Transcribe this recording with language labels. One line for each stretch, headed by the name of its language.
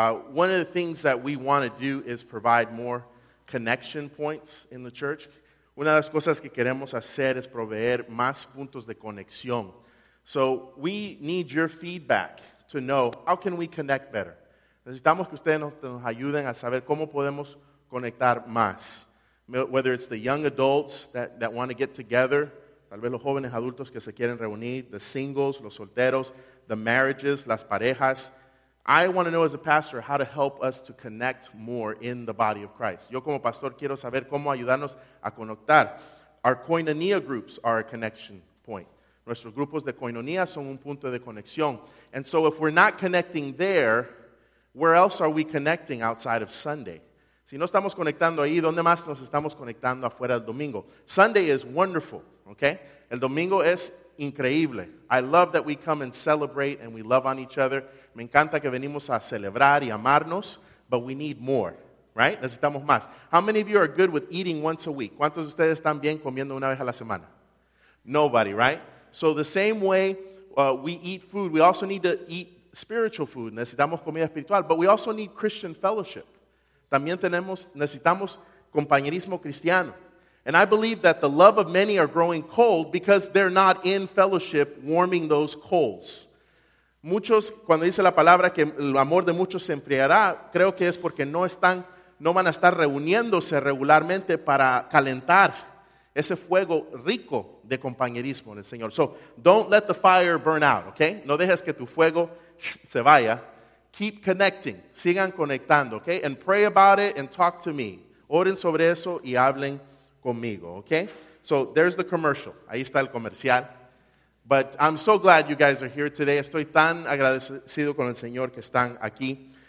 English: One of the things that we want to do is provide more connection points in the church.
Spanish: Una de las cosas que queremos hacer es proveer más puntos de conexión.
English: So we need your feedback to know how can we connect better.
Spanish: Necesitamos que ustedes nos ayuden a saber cómo podemos conectar más.
English: Whether it's the young adults that want to get together,
Spanish: tal vez los jóvenes adultos que se quieren reunir,
English: the singles,
Spanish: los solteros,
English: the marriages,
Spanish: las parejas.
English: I want to know as a pastor how to help us to connect more in the body of Christ.
Spanish: Yo como pastor quiero saber cómo ayudarnos a conectar.
English: Our koinonia groups are a connection point.
Spanish: Nuestros grupos de koinonia son un punto de conexión.
English: And so if we're not connecting there, where else are we connecting outside of Sunday?
Spanish: Si no estamos conectando ahí, ¿dónde más nos estamos conectando afuera del domingo?
English: Sunday is wonderful, okay?
Spanish: El domingo es increíble.
English: I love that we come and celebrate and we love on each other.
Spanish: Me encanta que venimos a celebrar y amarnos,
English: but we need more, right?
Spanish: Necesitamos más.
English: How many of you are good with eating once a week?
Spanish: ¿Cuántos de ustedes están bien comiendo una vez a la semana?
English: Nobody, right? So the same way we eat food, we also need to eat spiritual food.
Spanish: Necesitamos comida espiritual,
English: but we also need Christian fellowship.
Spanish: También necesitamos compañerismo cristiano.
English: And I believe that the love of many are growing cold because they're not in fellowship warming those coals.
Spanish: Muchos, cuando dice la palabra que el amor de muchos se enfriará, creo que es porque no van a estar reuniéndose regularmente para calentar ese fuego rico de compañerismo en el Señor.
English: So, don't let the fire burn out, okay?
Spanish: No dejes que tu fuego se vaya.
English: Keep connecting.
Spanish: Sigan conectando,
English: okay? And pray about it and talk to me.
Spanish: Oren sobre eso y hablen conmigo, okay?
English: So there's the commercial.
Spanish: Ahí está el comercial.
English: But I'm so glad you guys are here today.
Spanish: Estoy tan agradecido con el Señor que están aquí.